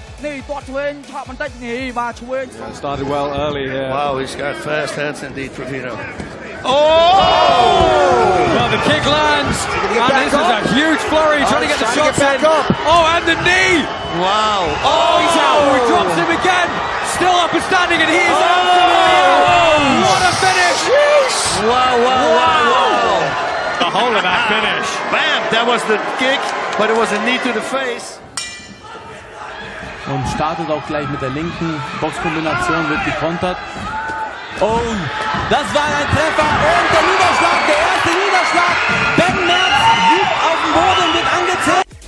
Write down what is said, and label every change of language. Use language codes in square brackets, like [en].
[en] នេះទាត់ឆ្វេងឆក់បន្តិចនេះបាទឆ្វេងស្តាតវែលអឺលីហៀវ៉ាវហ៊ីស្កាត់ហ្វាស់ហ៊ែនស៍អិនឌីតហ្វូធីណូ Oh! Well, the kick lands, and this is a huge flurry, trying to get the shots in. Oh, and the knee! Wow. Oh, he's out! He drops him again! Still up and standing, and he is absolutely out! What a finish! Jeez. Wow, wow, wow, wow! The whole of that finish. Bam! That was the kick, but it was a knee to the face. [de] Und startet auch gleich mit der linken Boxkombination, wird gekontert. Oh, das war ein Treffer und der Niederschlag, der erste Niederschlag. Ben Merz liegt auf dem Boden und wird angezählt.